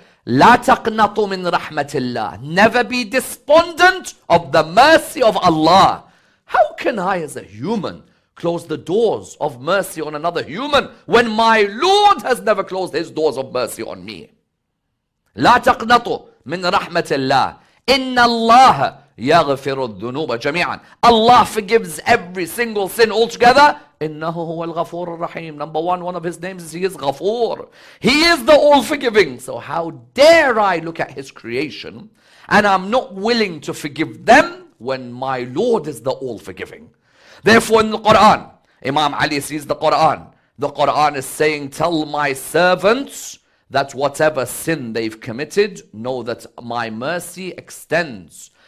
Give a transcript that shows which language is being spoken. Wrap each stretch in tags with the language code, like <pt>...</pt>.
<ar>لا تقنطوا من رحمة الله.</ar> <en>Never be despondent of the mercy of Allah. How can I as a human close the doors of mercy on another human when my Lord has never closed his doors of mercy on me?</en> <ar>لا تقنطوا من رحمة الله. إن الله يغفر الذنوب جميعا.</ar> <en>Allah forgives every single sin altogether.</en> <ar>إِنَّهُ هُوَ الْغَفُورُ الرَّحِيمُ.</ar> <en>Number one of his names is, he is Ghafoor. He is the all-forgiving. So how dare I look at his creation and I'm not willing to forgive them when my Lord is the all-forgiving. Therefore in the Quran, Imam Ali sees the Quran. The Quran is saying, tell my servants that whatever sin they've committed, know that my mercy extends.</en>